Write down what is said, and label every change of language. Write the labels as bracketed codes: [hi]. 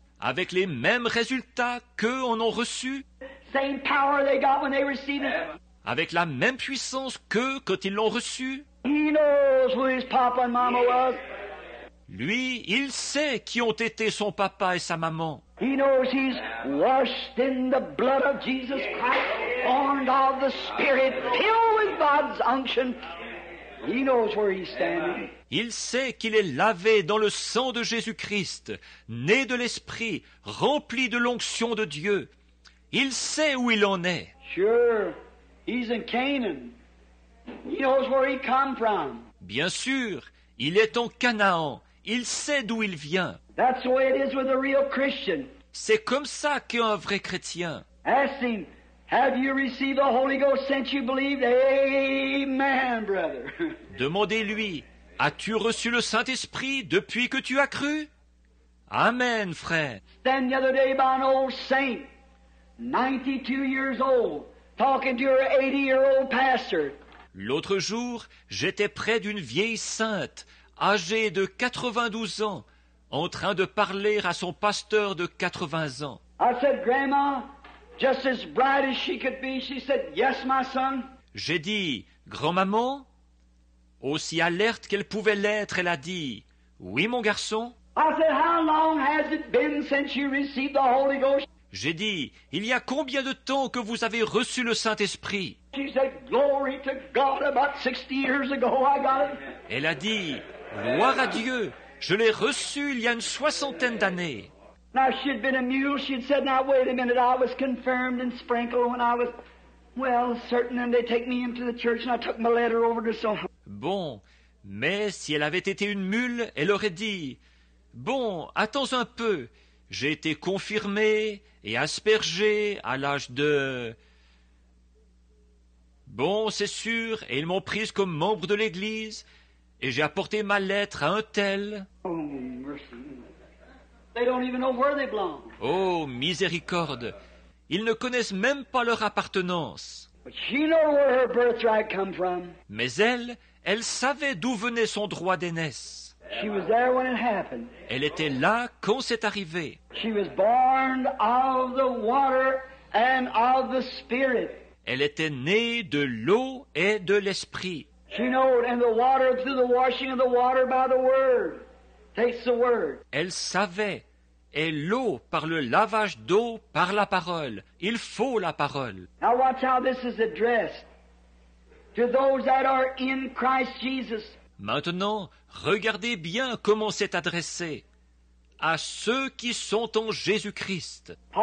[fr] Avec les mêmes résultats qu'eux en ont reçu, [en] same power they got when they received it. [fr] Avec la même puissance qu'eux quand ils l'ont reçu. [en] He knows who his papa and mama was. [fr] Lui, il sait qui ont été son papa et sa maman. [en] He knows he's washed in the blood of Jesus Christ, formed of the Spirit, filled with God's unction. He knows where he's standing. [fr] Il sait qu'il est lavé dans le sang de Jésus-Christ, né de l'Esprit, rempli de l'onction de Dieu. Il sait où il en est. [en] Sure, he's in Canaan. He knows where he come from. [fr] Bien sûr, il est en Canaan. Il sait d'où il vient. [en] That's the way it is with a real Christian. [fr] C'est comme ça qu'un vrai chrétien. [en] Ask him, have you received the Holy Ghost since you believed? Amen, brother. [fr] Demandez-lui, as-tu reçu le Saint-Esprit depuis que tu as cru? Amen, frère. [en] Stand the other day by an old saint, 92 years old, talking to your 80-year-old pastor. [fr] L'autre jour, j'étais près d'une vieille sainte, âgée de 92 ans, en train de parler à son pasteur de 80 ans. [en] I said, Grandma, just as bright as she could be, she said, yes, my son. [fr] J'ai dit, grand-maman, aussi alerte qu'elle pouvait l'être, elle a dit, oui, mon garçon. [en] I said, how long has it been since you received the Holy Ghost? [fr] J'ai dit, il y a combien de temps que vous avez reçu le Saint-Esprit? [en] She said, glory to God, about 60 years ago, I got it. [fr] Elle a dit, gloire à Dieu, je l'ai reçu il y a une soixantaine d'années. [en] Now she'd been a mule, she'd said, now wait a minute, I was confirmed and sprinkled when I was, well, certain, and they take me into the church and I took my letter over to someone. [fr] Bon, mais si elle avait été une mule, elle aurait dit, bon, attends un peu, j'ai été confirmé et aspergé à l'âge de... Bon, c'est sûr, et ils m'ont prise comme membre de l'Église, et j'ai apporté ma lettre à un tel. [en] Oh, mercy. They don't even know where they belong. [fr] Oh, miséricorde, ils ne connaissent même pas leur appartenance. [en] But she knows where her birthright come from. [fr] Mais elle, elle savait d'où venait son droit d'aînesse. [en] She was there when it happened. [fr] Elle était là quand c'est arrivé. [en] She was born of the water and of the spirit. [fr] Elle était née de l'eau et de l'esprit. [en] She knowed, and the water through the washing of the water by the word takes the word. [fr] Elle savait, et l'eau par le lavage d'eau par la parole. Il faut la parole. [en] Now watch how this is addressed to those that are in Christ Jesus. [fr] Maintenant, regardez bien comment c'est adressé à ceux qui sont en Jésus-Christ.